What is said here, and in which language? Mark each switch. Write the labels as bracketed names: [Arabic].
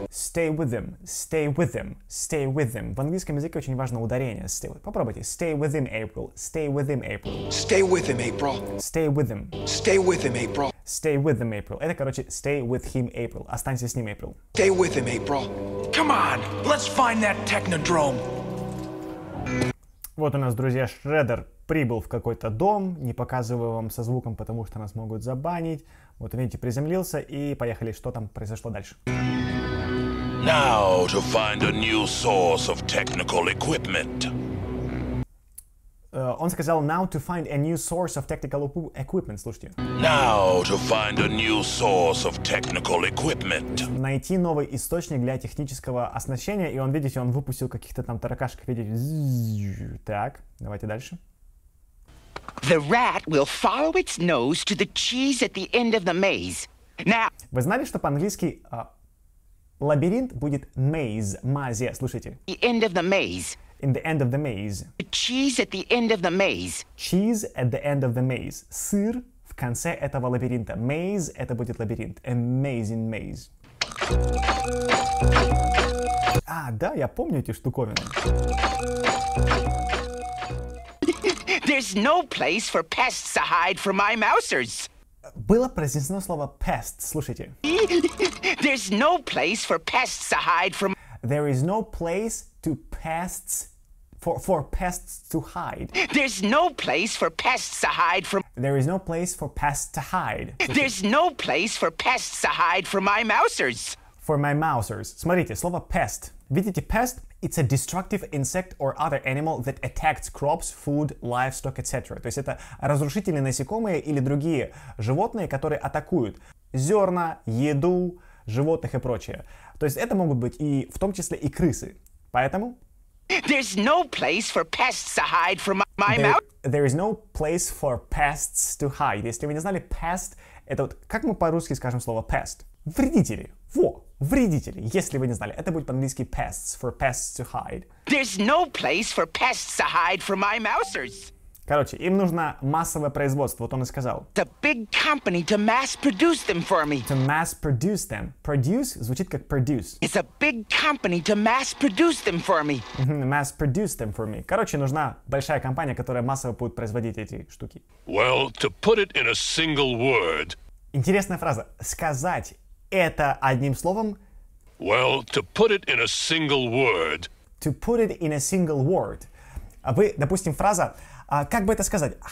[English] Stay with him, stay with him, stay with him. [Russian] В английском языке очень важно ударение. [English] Stay with... [Russian] Попробуйте. [English] Stay with him, April. Stay with him, April. Stay with him, April. Stay with him. Stay with him, April. Stay with him, April. [Russian] Это, короче, [English] stay with him, April. [Russian] Останься с ним, [English] April. Stay with him, April. Come on, let's find that technodrome. [Russian] Вот у нас, друзья, Шреддер прибыл в какой-то дом. Не показываю вам со звуком, потому что нас могут забанить. Вот, видите, приземлился и поехали. Что там произошло дальше? [English] Now to find a new source of technical equipment. [Russian] Он сказал [English] now to find a new source of technical equipment. [Russian] Слушайте. [English] Now to find a new source of technical equipment. [Russian] Найти новый источник для технического оснащения. И он, видите, он выпустил каких-то там таракашек. Видите? Так, давайте дальше. [English] The rat will follow its nose to the cheese at the end of the maze. Now... [Russian] Вы знали, что по-английски лабиринт будет maze, мазия, слушайте. [English] The end of the maze. In the end of the maze. The cheese at the end of the maze. Cheese at the end of the maze. [Russian] Сыр в конце этого лабиринта. Maze — это будет лабиринт. [English] Amazing maze. [Russian] А, да, я помню эти штуковины. [English] There's no place for pests to hide from my mousers. [Russian] Было произнесено слово pests, слушайте. [English] There's no place for pests to hide from... There is no place to pests... For pests to hide. There's no place for pests to hide from... There is no place for pests to hide. [Russian] Слушайте. [English] There's no place for pests to hide from my mousers. For my mousers. [Russian] Смотрите, слово pest. Видите, pest? [English] It's a destructive insect or other animal that attacks crops, food, livestock, etc. [Russian] То есть это разрушительные насекомые или другие животные, которые атакуют зерна, еду, животных и прочее. То есть это могут быть и в том числе и крысы. Поэтому [English] There's no place for pests to hide from my mouth. There is no place for pests to hide. [Russian] Если вы не знали, pest — это вот как мы по-русски скажем слово pest? Вредители. Во, вредители. Если вы не знали, это будет по-английски pests, [English] for pests to hide. There's no place for pests to hide from my mousers. [Russian] Короче, им нужно массовое производство, вот он и сказал. [English] The big company to mass produce them for me. To mass produce them. Produce [Russian] звучит как [English] produce. It's a big company to mass produce them for me. Mass produce them for me. [Russian] Короче, нужна большая компания, которая массово будет производить эти штуки. [English] Well, to put it in a single word. [Russian] Интересная фраза. Сказать это одним словом. [English] Well, to put it in a single word. To put it in a single word. [Russian] А вы, допустим, фраза... как бы это сказать?